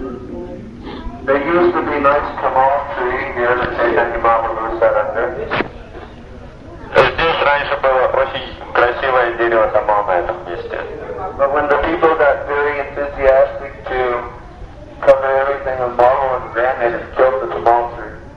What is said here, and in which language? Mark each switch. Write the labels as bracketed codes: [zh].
[en] They used to be nice tamal tree near the Chaitanya Mahaprabhu Saranga. [ru] Здесь раньше было очень красивое дерево тамал на этом месте. [en] But when the people got very enthusiastic to cover everything in marble and granite, they just killed the tamal tree.